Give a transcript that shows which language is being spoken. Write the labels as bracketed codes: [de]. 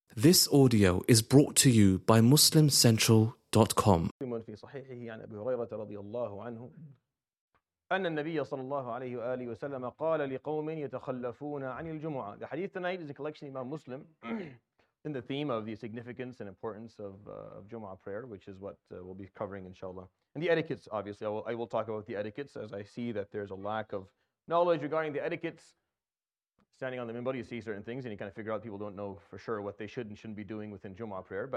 [en] This audio is brought to you by MuslimCentral.com. [ar] في صحيحه عن أبي هريرة رضي الله عنه أن النبي صلى الله عليه وآله وسلم قال لقوم يتخلفون عن الجمعة. [en] The hadith tonight is a collection of Imam Muslim in the theme of the significance and importance of Jumu'ah prayer, which is what we'll be covering inshallah. And the etiquettes, obviously, I will talk about the etiquettes as I see that there's a lack of knowledge regarding the etiquettes. Standing on the minbar, you see certain things and you kind of figure out people don't know for sure what they should and shouldn't be doing within Jumu'ah prayer.